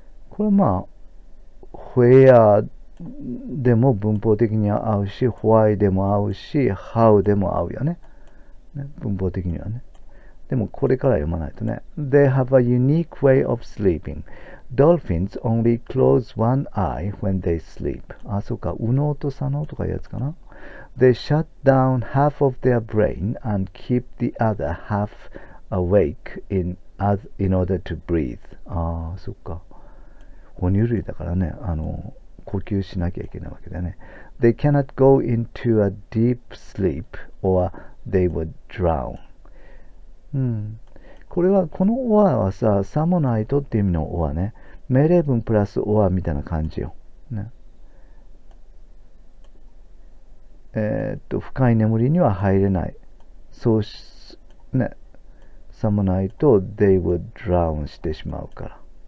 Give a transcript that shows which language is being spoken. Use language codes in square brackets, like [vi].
[ja] これまあ、ホエアでも文法的には合うし、ホワイでも合うし、ハウでも合うよね。ね、文法的にはね。でもこれから読まないとね。 [en] They have a unique way of sleeping. Dolphins only close one eye when they sleep. [ja] あ、そうか、右脳と左脳とかいうやつかな。 [en] They shut down half of their brain and keep the other half awake in order to breathe. [ja] ああ、そっか。哺乳類だからね、呼吸しなきゃいけないわけだよね。 [en] They cannot go into a deep sleep or they would drown. [ja] これは、この or はさ、さもないとっていう意味の or ね。命令文プラス or みたいな感じよ。ね、深い眠りには入れない。そうし、ね。さもないと [en] they would drown [ja] してしまうから。